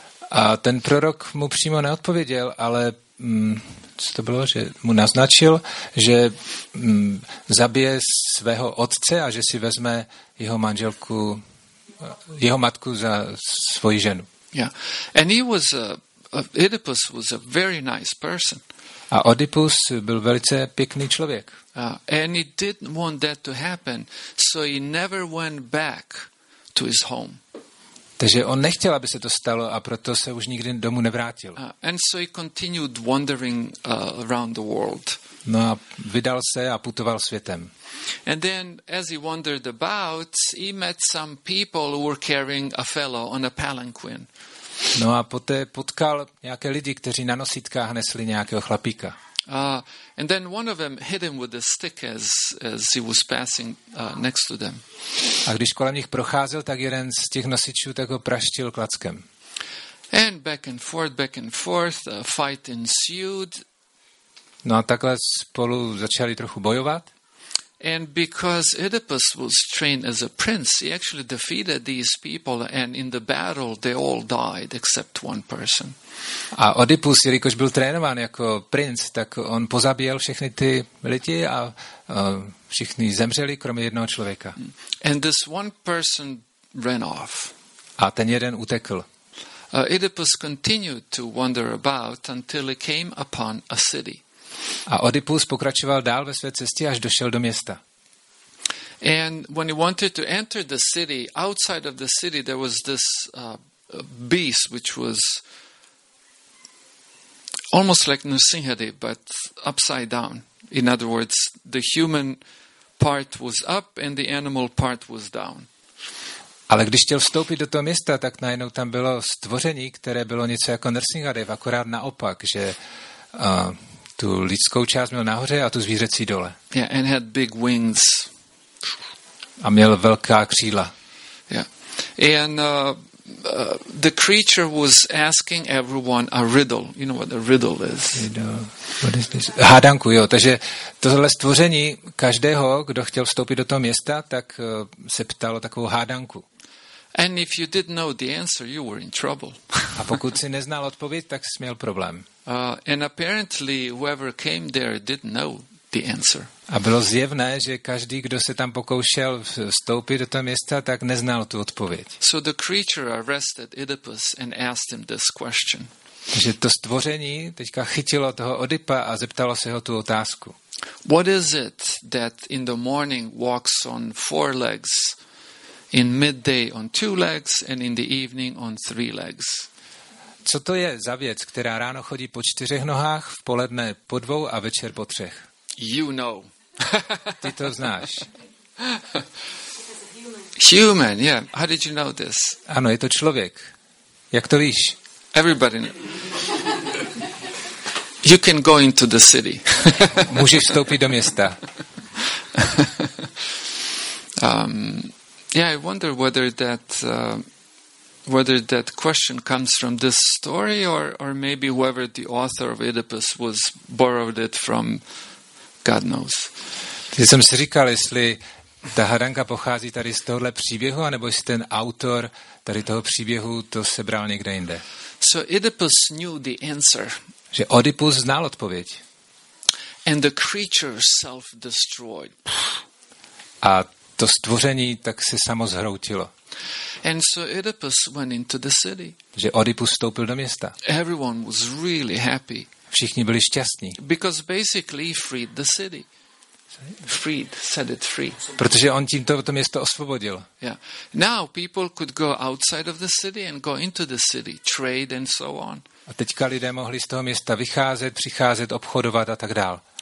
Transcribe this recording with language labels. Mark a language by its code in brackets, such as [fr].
[cs] A ten prorok mu přímo neodpověděl, ale co to bylo, že mu naznačil, že zabije svého otce a že si vezme jeho manželku, jeho matku za svoji ženu. [en] Yeah, and he was Oedipus was a very nice person. [cs] A Oedipus byl velice pěkný člověk. [en] And he didn't want that to happen, so he never went back to his home. [cs] Takže on nechtěl, aby se to stalo, a proto se už nikdy domů nevrátil. [en] And so he continued wandering around the world. [cs] No a vydal se a putoval světem. [en] And then as he wandered about, he met some people who were carrying a fellow on a palanquin. [cs] No a poté potkal nějaké lidi, kteří na nosítkách nesli nějakého chlapíka. [en] And then one of them hit him with a stick as he was passing next to them. [cs] A když kolem nich procházel, tak jeden z těch nosičů tak ho praštil klackem. [en] And back and forth a fight ensued. [cs] No a takhle spolu začali trochu bojovat. [en] And because Oedipus was trained as a prince, he actually defeated these people, and in the battle they all died except one person. [cs] A Oedipus, jelikož byl trénován jako princ, tak on pozabíjel všechny ty lidi a všichni zemřeli kromě jednoho člověka. [en] And this one person ran off. [cs] A ten jeden utekl. [en] Oedipus continued to wander about until he came upon a city. [cs] A Oedipus pokračoval dál ve své cestě, až došel do města. [en] And when he wanted to enter the city, outside of the city there was this beast which was almost like Nrsimhadev but upside down. In other words, the human part was up and the animal part was down. [cs] Ale když chtěl vstoupit do toho města, tak najednou tam bylo stvoření, které bylo něco jako Nrsimhadev, akorát naopak, že tu lidskou část měl nahoře a tu zvířecí dole. [en] Yeah, and had big wings. [cs] A měl velká křídla. [en] Yeah. And the creature was asking everyone a riddle. You know what a riddle is? What is this? [cs] Hádanku, jo. Takže tohle stvoření každého, kdo chtěl vstoupit do toho města, tak se ptalo takovou hádanku. [en] And if you didn't know the answer, you were in trouble. [cs] A pokud si neznal odpověď, tak jsi měl problém. [en] And apparently whoever came there didn't know the answer. [cs] A bylo zjevné, že každý, kdo se tam pokoušel vstoupit do toho města, tak neznal tu odpověď. [en] So the creature arrested Oedipus and asked him this question. [cs] Že to stvoření teďka chytilo toho Oedipa a zeptalo se ho tu otázku. [en] What is it that in the morning walks on four legs, in midday on two legs, and in the evening on three legs? [cs] Co to je za věc, která ráno chodí po čtyřech nohách, v poledne po dvou a večer po třech? [en] You know. [cs] Ty to znáš. [en] Human, yeah. How did you know this? [cs] Ano, je to člověk. Jak to víš? [en] Everybody knows. You can go into the city. [cs] Můžeš vstoupit do města. [en] I wonder whether that question comes from this story or maybe whoever the author of Oedipus was borrowed it from, God knows. [cs] Já jsem si říkal, jestli ta hadanka pochází tady z tohle příběhu, anebo jestli ten autor tady toho příběhu to sebral někde jinde. [en] So Oedipus knew the answer. [cs] Že Oedipus znal odpověď. [en] And the creature self-destroyed. [cs] A to stvoření tak se samo zhroutilo. [en] And so Oedipus went into the city. [cs] Že Oedipus vstoupil do města. [en] Everyone was really happy. [cs] Všichni byli šťastní. [en] Because basically freed the city. Freed, set it free. [cs] Protože on tím to město osvobodil. [en] Yeah. Now people could go outside of the city and go into the city, trade and so on. [cs] A teďka lidé mohli z toho města vycházet, přicházet, obchodovat a tak dál.